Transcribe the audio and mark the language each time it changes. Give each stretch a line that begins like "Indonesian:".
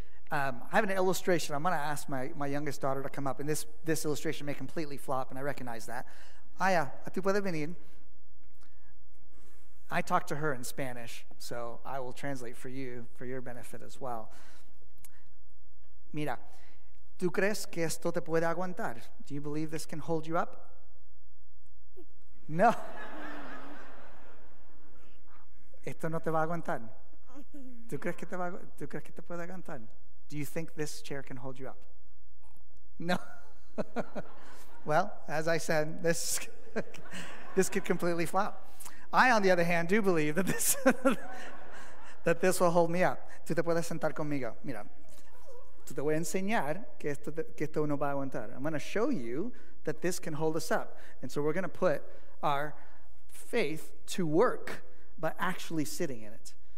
English: I have an illustration. I'm going to ask my youngest daughter to come up, and this illustration may completely flop, and I recognize that.
Spanish: Aya, ¿a tu puedes venir?
English: I talk to her in Spanish, so I will translate for you, for your benefit as well.
Spanish: Mira, ¿tú crees que esto te puede aguantar?
English: Do you believe this can hold you up? No.
Spanish: ¿Esto no te va a aguantar? ¿Tú crees que te puede aguantar?
English: Do you think this chair can hold you up? No. Well, as I said, this could completely flop. I, on the other hand, do believe that this that this will hold me up.
Spanish: ¿Tú te puedes sentar conmigo? Mira. Te voy a enseñar que esto no va a aguantar.
English: I'm going to show you that this can hold us up. And so we're going to put our faith to work by actually sitting in it.